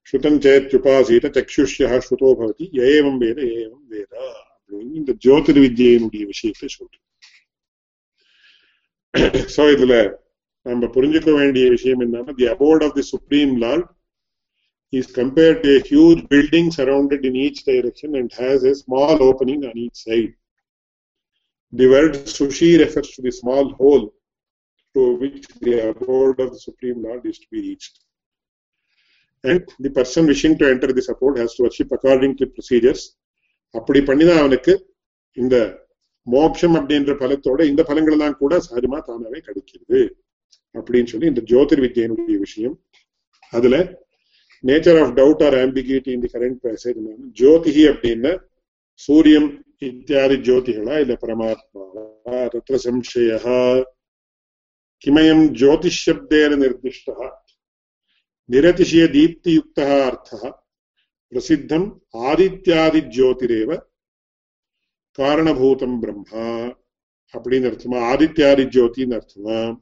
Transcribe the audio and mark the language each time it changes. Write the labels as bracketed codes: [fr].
[sa] ஸ்ருதஞ்சேத்யுபாசீத சக்ஷுஷ்யா ஸ்ருதோ பவதி ஏவம் வேத ஏவம் வேத [ta] அப்படின்னு இந்த ஜோதிர்வித்யினுடைய விஷயத்தை சொல்றது. சோ இதுல நம்ம புரிஞ்சுக்க வேண்டிய விஷயம் என்னன்னா, [en] The abode of the Supreme Lord is compared to a huge building surrounded in each direction and has a small opening on each side. The word sushi refers to the small hole to which the abode of the Supreme Lord is to be reached. And the person wishing to enter this abode has to worship according to procedures. [ta] அப்படி பண்ணினா அவனுக்கு இந்த மோட்சம் அப்படின்ற பலத்தோட இந்த பலங்கள் எல்லாம் கூட சாரிமா தானாவே கிடைக்கிறது அப்படின்னு சொல்லி இந்த ஜோதிர் வித்யனுடைய விஷயம். [sa] அதுல [en] nature of doubt or ambiguity in the current passage, [sa] ஜோதிஹி அப்படின்னு சூரியம் இத்தியாதி ஜோதிகளா இல்ல பரமாத்மாவா, தத்ர சம்சய கிமயம் ஜோதிஷப்தேன நிர்திஷ்டா நிரதிசய தீப்தியுக்தா அர்த்தா பிரசித்தம் ஆதித்யாதி ஜோதிரேவ காரணபூதம் பிரம்மா [ta] அப்படின்னு அர்த்தமா, ஆதித்யாதி ஜோதின்னு அர்த்தமா.